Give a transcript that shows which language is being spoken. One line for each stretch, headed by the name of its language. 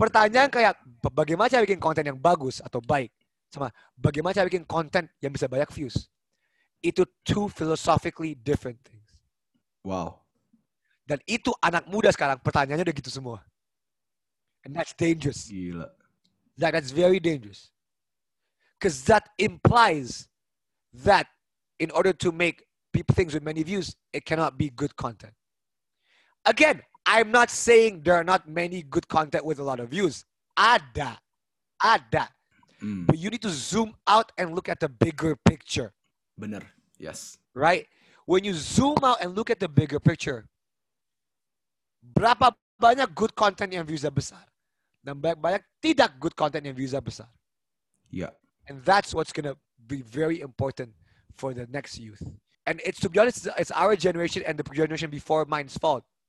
Indonesian: Pertanyaan kayak bagaimana cara bikin konten yang bagus atau baik sama bagaimana cara bikin konten yang bisa banyak views.
English: Itu two philosophically different things. Wow.
Indonesian: Dan itu anak muda sekarang pertanyaannya udah gitu semua.
English: And that's dangerous.
Indonesian: Gila.
English: That's very dangerous. Because that implies that in order to make people things with many views, it cannot be good content. Again, I'm not saying there are not many good content with a lot of views.
Indonesian: Ada. Ada.
English: Mm. But you need to zoom out and look at the bigger picture.
Indonesian: Bener. Yes.
English: Right? When you zoom out and look at the bigger picture,
Indonesian: berapa banyak good content yang views-nya besar? Dan banyak tidak good content yang views-nya besar.
English: Yeah. And that's what's going to be very important for the next youth. And it's, to be honest, it's our generation and the generation before mine's fault.